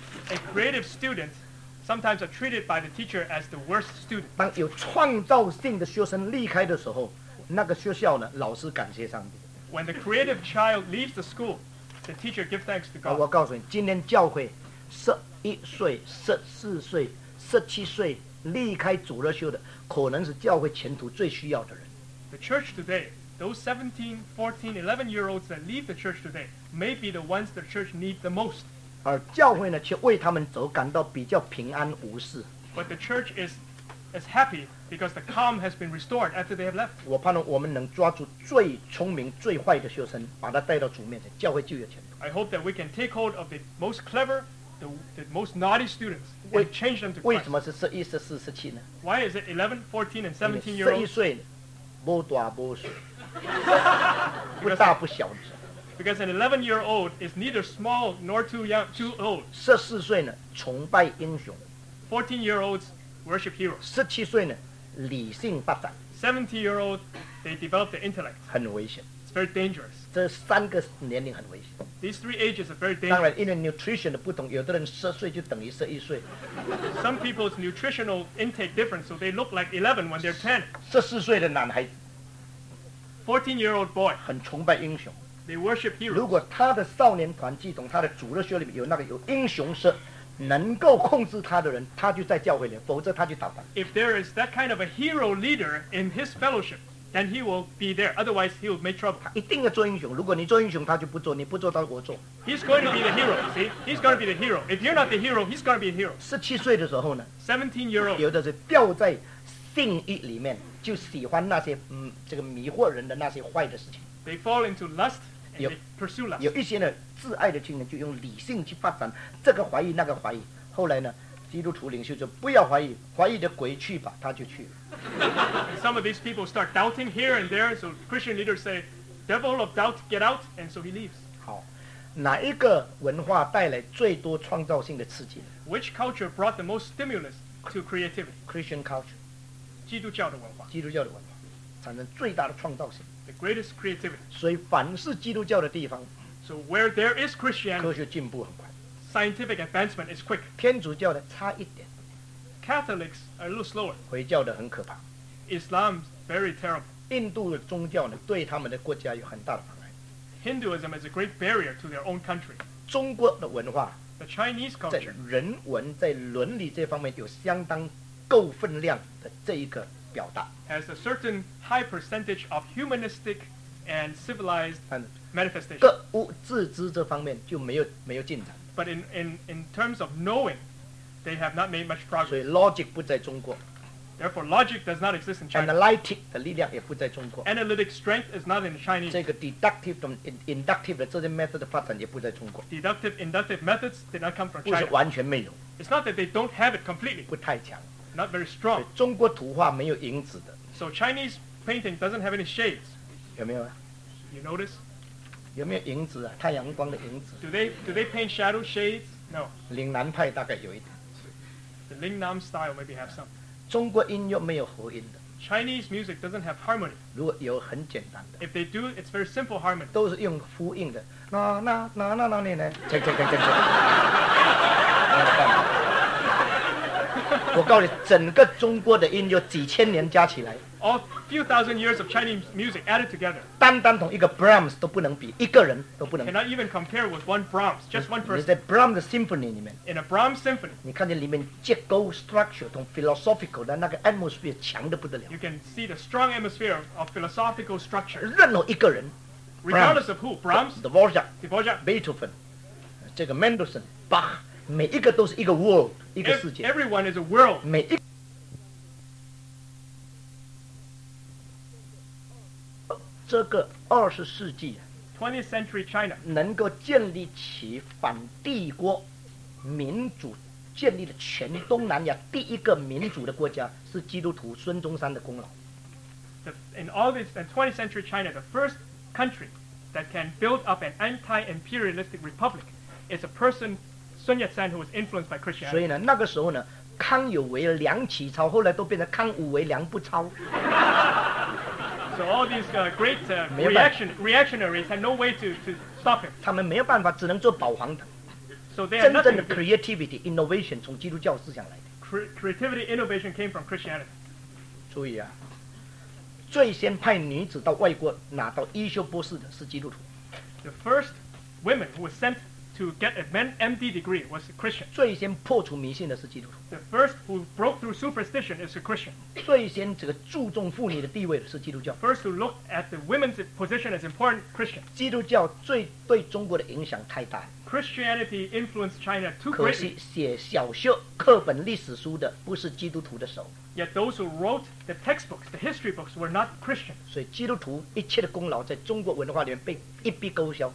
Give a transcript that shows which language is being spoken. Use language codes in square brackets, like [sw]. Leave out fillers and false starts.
[en] A creative student sometimes are treated by the teacher as the worst student. [zh] 当有创造性的学生离开的时候，那个学校呢，老师感谢上帝。 [en] When the creative child leaves the school, the teacher gives thanks to God. [zh] 我告诉你，今天教会11岁、14岁、17岁离开主日学的，可能是教会前途最需要的人。 [en] The church today, those 17, 14, 11-year-olds that leave the church today may be the ones the church needs the most. [zh] 而教会呢，却为他们走，感到比较平安无事。 [en] But the church is is happy because the calm has been restored after they have left. [zh] 我盼望我们能抓住最聪明、最坏的学生，把他带到主面前，教会就有前途。 [en] I hope that we can take hold of the most clever, the most naughty students and change them to Christ. [zh] 为什么是十一、十四、十七呢？ [en] Why is it 11, 14, and 17 year olds? [zh] 十一岁，不大不小，不大不小。 [en] Because an 11-year-old is neither small nor too old. [zh] 十四岁呢，崇拜英雄。 [en] 14-year-olds worship heroes. [zh] 十七岁呢，理性发展。 [en] 17-year-old, they develop the intellect. [zh] 很危险。 [en] It's very dangerous. [zh] 这三个年龄很危险。 [en] These three ages are very dangerous. [zh] 当然，因为 nutrition 的不同，有的人十岁就等于十一岁。 [en] Some people's nutritional intake difference, so they look like 11 when they're 10. [zh] 十四岁的男孩子。 [en] 14-year-old boy. [zh] 很崇拜英雄。 [en] They worship heroes. [zh] 如果他的少年团契同他的主日学里面有那个有英雄式能够控制他的人，他就在教会里，否则他就倒台。 [en] If there is that kind of a hero leader in his fellowship, then he will be there. Otherwise, he will make trouble. [zh] 他一定要做英雄。如果你做英雄，他就不做；你不做，他我做。 [en] He's going to be the hero. See, he's going to be the hero. If you're not the hero, he's going to be the hero. [zh] 十七岁的时候呢 [en] ？17-year-old. [zh] 有的是掉在性欲里面，就喜欢那些这个迷惑人的那些坏的事情。 [en] They fall into lust. [zh] 有一些呢，自爱的青年就用理性去发展这个怀疑那个怀疑，后来呢，基督徒领袖就不要怀疑，怀疑的鬼去吧，他就去了。 [en] Some of these people start doubting here and there, so Christian leaders say, "Devil of doubt, get out!" And so he leaves. [zh] 好，哪一个文化带来最多创造性的刺激 [en] ？Which culture brought the most stimulus to creativity? Christian culture. [zh] 基督教的文化。基督教的文化产生最大的创造性。 [en] The greatest creativity. [zh] 所以凡是基督教的地方 [en] So where there is Christianity, [zh] 科学进步很快 [en] Scientific advancement is quick. [zh] 天主教的差一点 [en] Catholics are a little slower. [zh] 回教的很可怕 [en] Islam is very terrible. [zh] 印度的宗教呢，对他们的国家有很大的妨碍 [en] Hinduism is a great barrier to their own country. [zh] 中国的文化 [en] The Chinese culture [zh] 在人文在伦理这方面有相当够分量的这一个表达 [en] has a certain high percentage of humanistic and civilized manifestation. [zh] 各物自知这方面就没有进展。 [en] But in terms of knowing, they have not made much progress. [zh] 所以 logic 不在中国。 [en] Therefore, logic does not exist in China. [zh] Analytic 的力量也不在中国。 [en] Analytic strength is not in Chinese. [zh] 这个 deductive 和 inductive 的这些 method 的发展也不在中国。 [en] Deductive, inductive methods did not come from China. [zh] 不是完全没有。 [en] It's not that they don't have it completely. [zh] 不太强。 [en] Not very strong. [zh] 中国图画没有影子的。 [en] So Chinese painting doesn't have any shades. [zh] 有没有啊 [en] ？You notice? [zh] 有没有影子啊？太阳光的影子。 [en] Do they paint shadow shades? No. [zh] 岭南派大概有一点。 [en] The Lingnan style maybe have some. [zh] 中国音乐没有和音的。 [en] Chinese music doesn't have harmony. [zh] 如果有很简单的。 [en] If they do, it's very simple harmony. [zh] 都是用呼应的。那那那那那那那。锵锵锵锵锵。我告诉你，整个中国的音乐几千年加起来 [en] ，a few thousand years of Chinese music added together， [zh] 单单同一个 Brahms 都不能比，一个人都不能比。 [en] Cannot even compare with one Brahms, just one person. [zh] 你在 Brahms symphony 里面 [en] ，in a Brahms symphony， [zh] 你看见里面结构 structure 同 philosophical 的那个 atmosphere 强得不得了。 [en] You can see the strong atmosphere of philosophical structure. [zh] 任何一个人 [en] ，regardless of who, Brahms, Dvorak, Beethoven, 这个 Mendelssohn, Bach。 [zh] 每一个都是一个 world， 一个世界。 [en] Everyone is a world。 [zh] 每一个这个二十世纪 [en] ，20th century China， [zh] 能够建立起反帝国民主，建立了全东南亚第一个民主的国家，是基督徒孙中山的功劳。 [en] In all this, in 20th century China, the first country that can build up an anti-imperialistic republic is a person. 孙中山 who was influenced by Christianity. [zh] 所以呢，那个时候呢，康有为、梁启超，后来都变成康有为、梁不超。 [en] So all these great reactionaries had no way to stop him. [zh] 他们没有办法，只能做保皇党。 [en] So they [zh] 真正的 [en] creativity innovation [zh] 从基督教思想来的。 [en] Creativity innovation came from Christianity. [zh] 注意啊，最先派女子到外国拿到医修博士的是基督徒。 [en] The first women who were sent. To get a MD degree was a Christian. [zh] 最先破除迷信的是基督徒。 [en] The first who broke through superstition is a Christian. [zh] 最先这个注重妇女的地位的是基督教。 [en] First who looked at the women's position as important Christian. [zh] 基督教最对中国的影响太大。 [en] Christianity influenced China too greatly. [zh] 可是写小学课本历史书的不是基督徒的手。 [en] Yet those who wrote the textbooks, the history books, were not Christian. [zh] 所以基督徒一切的功劳在中国文化里面被一笔勾销。